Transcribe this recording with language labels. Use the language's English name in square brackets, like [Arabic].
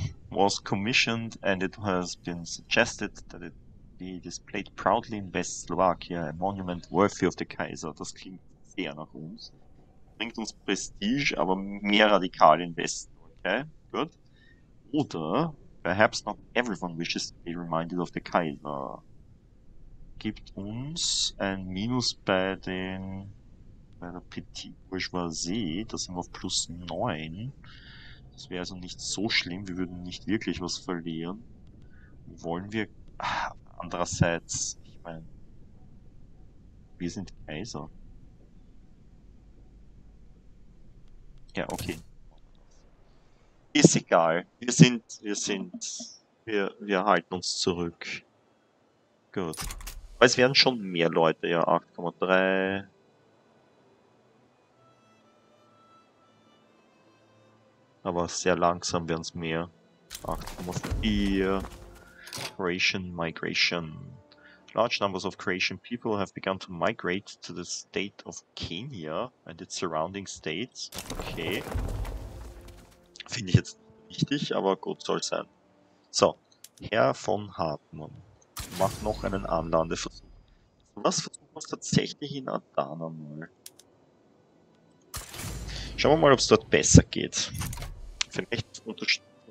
[English] was commissioned and it has been suggested that it be displayed proudly in West Slovakia, a monument worthy of the Kaiser. [German] Das klingt sehr nach uns. Bringt uns Prestige, aber mehr radikal in Westen. Okay, gut. Oder, [English] perhaps not everyone wishes to be reminded of the Kaiser. [German] Gibt uns ein Minus bei der Petite Bourgeoisie. Da sind wir auf plus 9. Das wäre also nicht so schlimm. Wir würden nicht wirklich was verlieren. Wollen wir. Andererseits, ich meine, wir sind Kaiser. Ja, okay. Ist egal. Wir halten uns zurück. Gut. Aber es werden schon mehr Leute, ja, 8,3. Aber sehr langsam werden es mehr. 8,4. [English] Croatian Migration. Large numbers of Croatian people have begun to migrate to the state of Kenya and its surrounding states. Okay. [German] Finde ich jetzt nicht wichtig, aber gut soll sein. So, Herr von Hartmann macht noch einen Anlandeversuch. Was versuchen wir tatsächlich in Adana mal? Schauen wir mal, ob es dort besser geht. Vielleicht unterstützen.